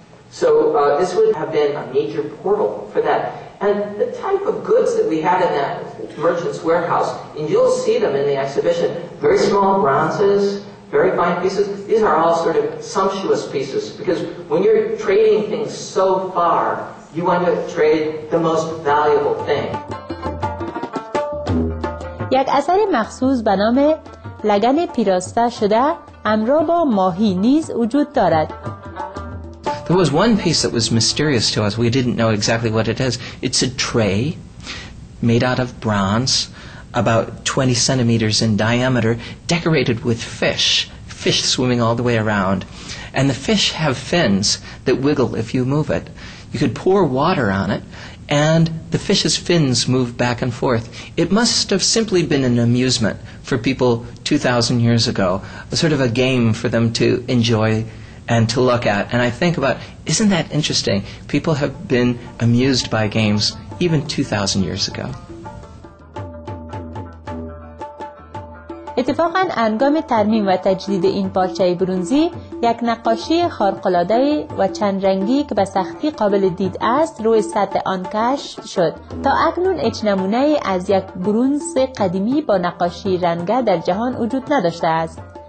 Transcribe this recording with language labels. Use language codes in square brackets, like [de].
[en] So this would have been a major portal for that. And the type of goods that we had in that merchant's warehouse, and you'll see them in the exhibition, very small bronzes, very fine pieces. These are all sort of sumptuous pieces because when you're trading things so far, you want to trade the most valuable thing. [fa] یک اثر مخصوص به نام لگن پیراسته شده همراه با ماهی نیز وجود دارد. [en] There was one piece that was mysterious to us. We didn't know exactly what it is. It's a tray made out of bronze, about 20 centimeters in diameter, decorated with fish swimming all the way around. And the fish have fins that wiggle if you move it. You could pour water on it, and the fish's fins move back and forth. It must have simply been an amusement for people 2,000 years ago, a sort of a game for them to enjoy and to look at. And I think about, isn't that interesting? People have been amused by games even 2,000 years ago. [fa] اتفاقاً انگام ترمیم و تجدید این پارچه برونزی یک نقاشی خارق‌العاده و چند رنگی که به سختی قابل دید است روی سطح آن کشف شد. تا اکنون هیچ نمونه از یک برونز قدیمی با نقاشی رنگه در جهان وجود نداشته است.